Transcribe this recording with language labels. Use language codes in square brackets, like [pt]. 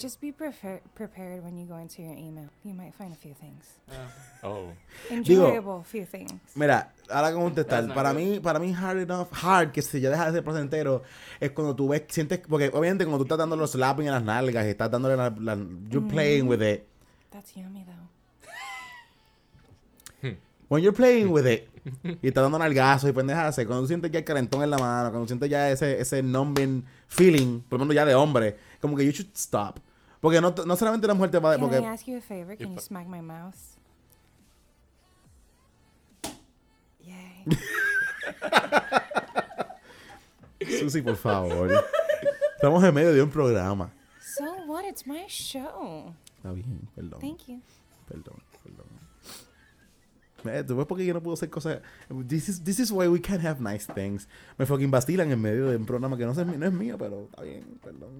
[en] Just be prepared when you go into your email. You might find a few things. Enjoyable few things. [es] Mira, ahora que contestar, para mí [en] hard enough, hard, [es] que si ya dejas de ser placentero, es cuando tú ves, sientes, porque obviamente cuando tú estás dando los slapping en las nalgas, estás dándole la [en] you're playing with it. That's yummy, though. When you're playing with it, [es] y estás dando nalgazos y pendejas, cuando tú sientes ya el calentón en la mano, cuando sientes ya ese [en] numbing feeling, [es] por lo menos ya de hombre, como que [en] you should stop. [es] Porque no solamente la mujer te va a... [en] Can I ask you a favor? Can you smack my mouse? Yay. [es] Susie, por favor. Estamos en medio de un programa. [en] So what? It's my show. [es] Está bien, perdón. [en] Thank you. [es] Perdón. ¿Ves por qué yo no puedo hacer cosas? [en] This is why we can't have nice things. [es] Me fucking vacilan en medio de un programa que no es mío, pero está bien, perdón.